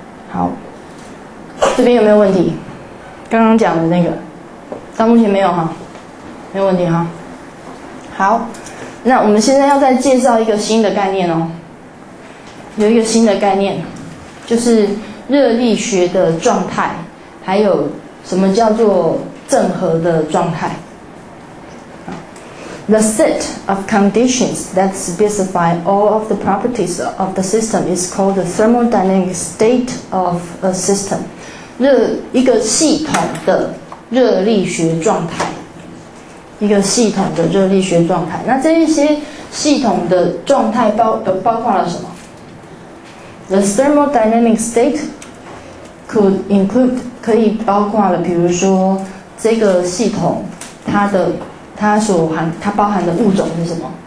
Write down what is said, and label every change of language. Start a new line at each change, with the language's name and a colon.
Chinese: 好，这边有没有问题？刚刚讲的那个到目前没有哈，没有问题哈。好，那我们现在要再介绍一个新的概念哦，有一个新的概念，就是热力学的状态，还有什么叫做正和的状态。
English: The set of conditions that specify all of the properties of the system is called the thermodynamic state of a system。
Chinese: 一个系统的热力学状态，一个系统的热力学状态，那这一些系统的状态 包括了什么？
English: The thermodynamic state could include，
Chinese: 可以包括了，比如说这个系统它包含的物种是什么？